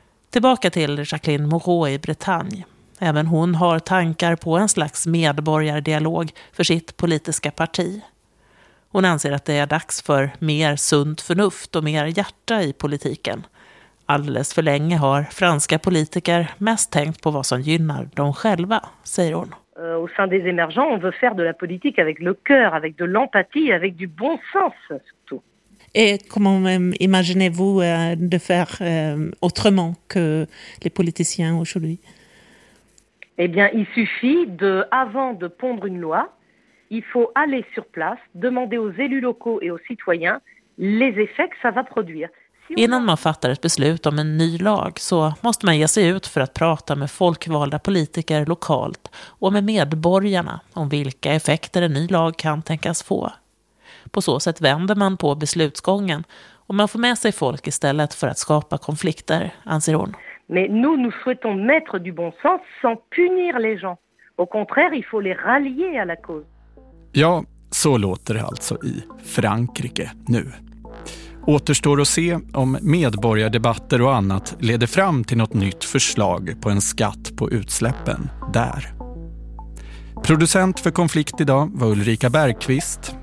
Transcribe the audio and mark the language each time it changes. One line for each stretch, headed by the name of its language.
Swedish: Tillbaka till Jacqueline Moreau i Bretagne. Även hon har tankar på en slags medborgardialog för sitt politiska parti. Hon anser att det är dags för mer sunt förnuft och mer hjärta i politiken. Alldeles för länge har franska politiker mest tänkt på vad som gynnar dem själva, säger hon.
French: Au sein des émergents, on veut faire de la politique avec le cœur, avec de l'empathie, avec du bon sens surtout. Et comment imaginez-vous de faire autrement que les politiciens aujourd'hui? Eh bien, il suffit de, avant de pondre une loi, il faut aller sur place, demander aux élus locaux et aux citoyens les effets que ça va produire.
Swedish: Innan man fattar ett beslut om en ny lag så måste man ge sig ut för att prata med folkvalda politiker lokalt och med medborgarna om vilka effekter en ny lag kan tänkas få. På så sätt vänder man på beslutsgången och man får med sig folk istället för att skapa konflikter, anser hon.
French: Mais nous nous souhaitons mettre du bon sens sans punir les gens. Au contraire, il faut les rallier à la cause.
Swedish: Ja, så låter det alltså i Frankrike nu. Återstår att se om medborgardebatter och annat leder fram till något nytt förslag på en skatt på utsläppen där. Producent för Konflikt idag var Ulrika Bergqvist.